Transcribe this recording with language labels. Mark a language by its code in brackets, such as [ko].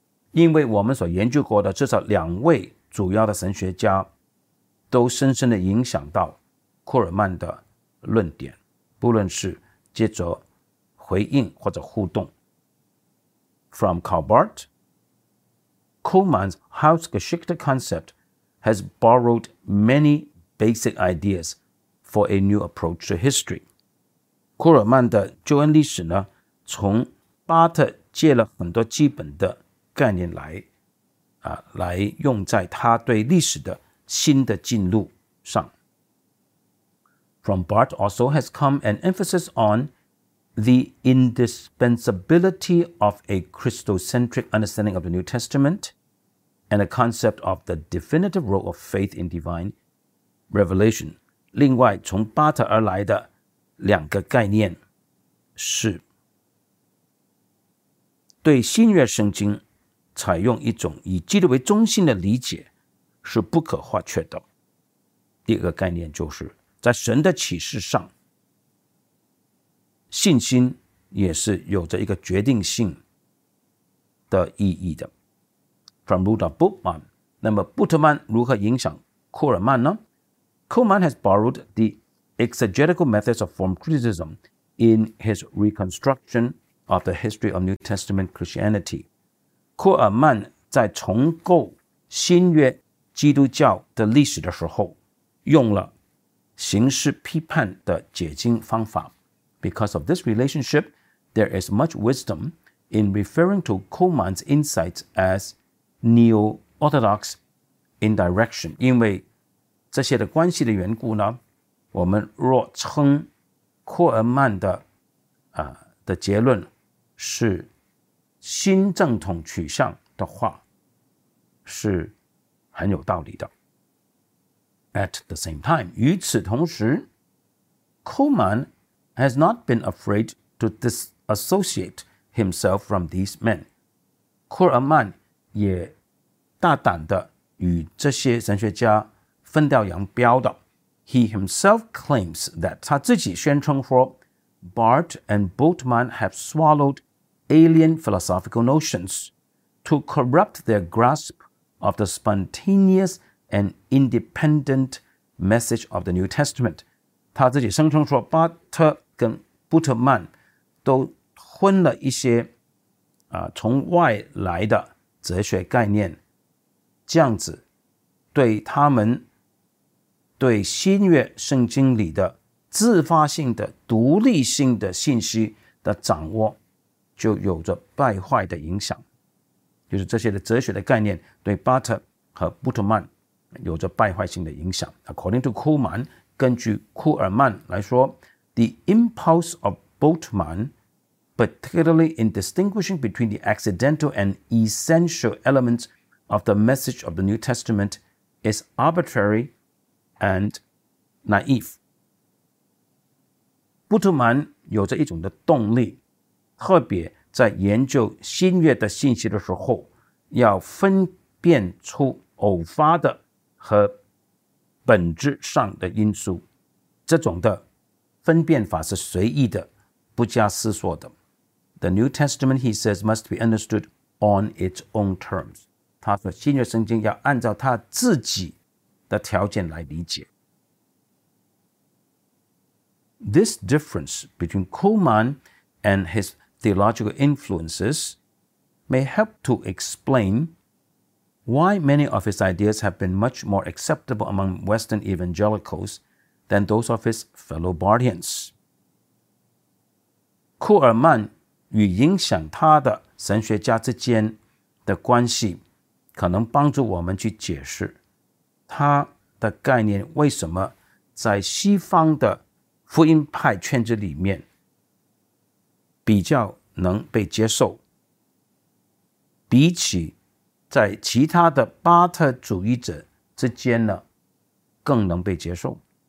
[zh] 因为我们所研究过的至少两位主要的神学家都深深地影响到库尔曼的论点不论是接着回应或者互动 [en] From Karl Barth Kuhlmann's Heilsgeschichte conceptHas borrowed many basic ideas for a new approach to history. [zh] 库尔曼的救恩历史呢，从巴特借了很多基本的概念来用在他对历史的新的进路上。 [en] From Barth also has come an emphasis on the indispensability of a Christocentric understanding of the New Testament. And a concept of the definitive role of faith in divine revelation. [zh] 另外，从巴特而来的两个概念是对新约圣经采用一种以基督为中心的理解是不可或缺的。第二个概念就是在神的启示上，信心也是有着一个决定性的意义的。 [en] From Rudolf Bultmann. [zh] 那么布特曼如何影响库尔曼呢? [en] Kuhlmann has borrowed the exegetical methods of form criticism in his reconstruction of the history of New Testament Christianity. [zh] 库尔曼在重构新约基督教的历史的时候用了形式批判的解经方法。 [en] Because of this relationship, there is much wisdom in referring to Kuhlmann's insights as Neo-Orthodox indirection [zh] 因为这些的关系的缘故呢，我们若称库尔曼的的结论是新正统取向的话，是很有道理的。 [en] At the same time, [zh] 与此同时 [en] Coleman has not been afraid to disassociate himself from these men. [zh] 库尔曼也大胆地与这些神学家分道扬镳的。 [en] He himself claims that [zh] 他自己宣称 [en] for Barth and Bultmann have swallowed alien philosophical notions to corrupt their grasp of the spontaneous and independent message of the New Testament. [zh] 他自己声称说巴特跟布特曼都吞了一些从外来的哲学概念，这样子对他们对新约圣经里的自发性的独立性的信息的掌握就有着败坏的影响，就是这些的哲学的概念对巴特和布特曼有着败坏性的影响。 [en] According to Kuhlmann, [zh] 根据库尔曼来说 [en] The impulse of Bultmann, particularly in distinguishing between the accidental and essential elements of the message of the New Testament, is arbitrary and naive. [zh] 布特曼有着一种的动力，特别在研究新约的信息的时候，要分辨出偶发的和本质上的因素，这种的分辨法是随意的，不加思索的。 [en] The New Testament, he says, must be understood on its own terms. [zh] 他说新约圣经要按照他自己的条件来理解。 [en] This difference between Kuhlmann and his theological influences may help to explain why many of his ideas have been much more acceptable among Western evangelicals than those of his fellow Barthians. [zh] 库尔曼与影响他的神学家之间的关系可能帮助我们去解释他的概念为什么在西方的福音派圈子里面比较能被接受，比起在其他的巴特主义者之间呢，更能被接受。